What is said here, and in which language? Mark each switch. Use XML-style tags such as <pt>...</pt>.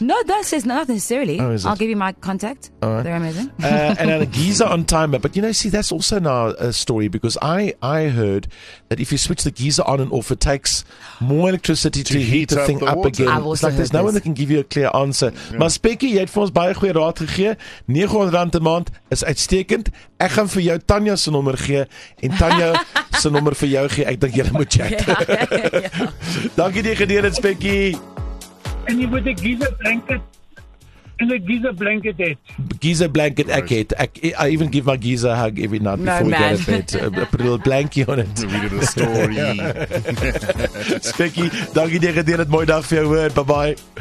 <en>No, that says not necessarily. Oh, is it? I'll give you my contact. All right. They're amazing. And then a geyser on timer. But you know, see, that's also now a story, because I heard that if you switch the geyser on and off, it takes more electricity to heat the thing up again. I've also it's like heard there's this. No one that can give you a clear answer. Yeah.</en> <af>Maar Spekkie, jy het vir ons baie goeie raad gegee. R900 a maand is uitstekend. Ek gaan vir jou Tanya se nommer gee en Tanya se nommer vir jou gee. Ek dink julle moet chat. Dankie die gedeelde Spekkie.</af> <en>And you with a geyser blanket and a geyser blanket it. Geyser blanket, ek het. I even give my geyser a hug every night before we go to bed. Put a little blankie on it. We did a story.</en> <af>Spekkie, dankie dat jy gedeel het. Mooi dag vir jou hoor. Bye-bye.</af>